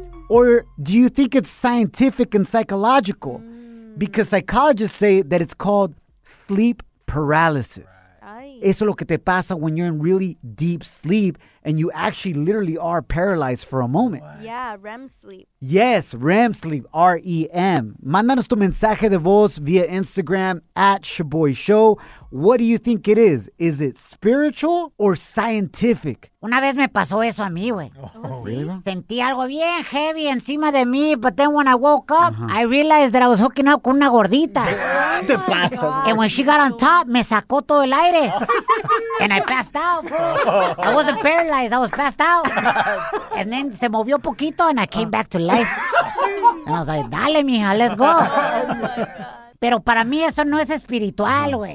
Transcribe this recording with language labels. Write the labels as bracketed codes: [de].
[en] Or do you think it's scientific and psychological? Mm. Because psychologists say that it's called sleep paralysis. Right. [es] Eso es lo que te pasa [en] when you're in really deep sleep and you actually literally are paralyzed for a moment. What? Yeah, REM sleep. Yes, REM sleep, R-E-M. [es] Mándanos tu mensaje de voz via Instagram at Shaboy Show. [en] What do you think it is? Is it spiritual or scientific? [es] Una vez me pasó eso a mí, güey. Oh, ¿sí? Really? Sentí algo bien heavy encima de mí, [en] but then when I woke up, I realized that I was hooking up [es] con una gordita. ¿Qué te pasa? [en] And when she got on top, [es] me sacó todo el aire. [en] And I passed out. I wasn't paralyzed. I was passed out. And then [es] se movió poquito [en] and I came back to life. And I was like, [es] dale, mija, [en] let's go. Oh, my God. [es] Pero para mí eso no es espiritual, güey.